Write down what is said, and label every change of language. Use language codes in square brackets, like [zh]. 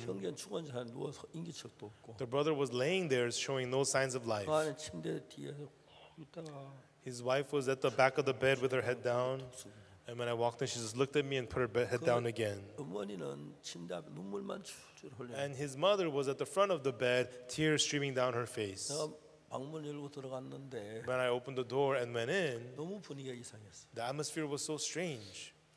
[ko] 형제는 죽은 자 누워서 인기척도 없고. [en] The brother was laying there, showing no signs of life. [ko] 그 안에 침대 뒤에 있다가. [en] His wife was at the back of the bed with her head down. And when I walked in, she just looked at me and put her head down again. And his mother was at the front of the bed, tears streaming down her face. When I opened the door and went in, the atmosphere was so strange.